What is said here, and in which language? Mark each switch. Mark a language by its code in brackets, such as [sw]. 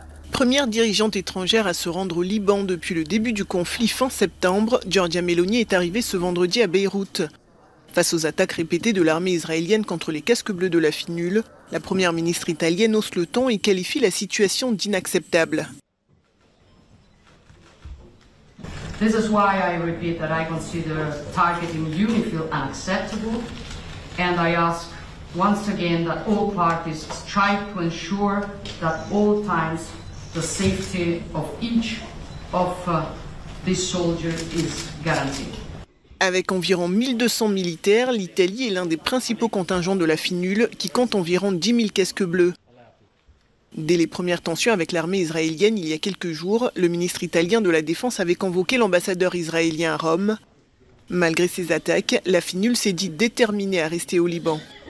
[fr] Première dirigeante étrangère à se rendre au Liban depuis le début du conflit fin septembre, Giorgia Meloni est arrivée ce vendredi à Beyrouth. Face aux attaques répétées de l'armée israélienne contre les casques bleus de la FINUL, la première ministre italienne hausse le ton et qualifie la situation d'inacceptable. [en] This is why I repeat that I consider targeting UNIFIL unacceptable and I ask once again that all parties strive to ensure that all times the safety of each of these soldiers is guaranteed. [fr] Avec environ 1200 militaires, l'Italie est l'un des principaux contingents de la FINUL qui compte environ 10 000 casques bleus. Dès les premières tensions avec l'armée israélienne il y a quelques jours, le ministre italien de la Défense avait convoqué l'ambassadeur israélien à Rome. Malgré ces attaques, la FINUL s'est dit déterminée à rester au Liban.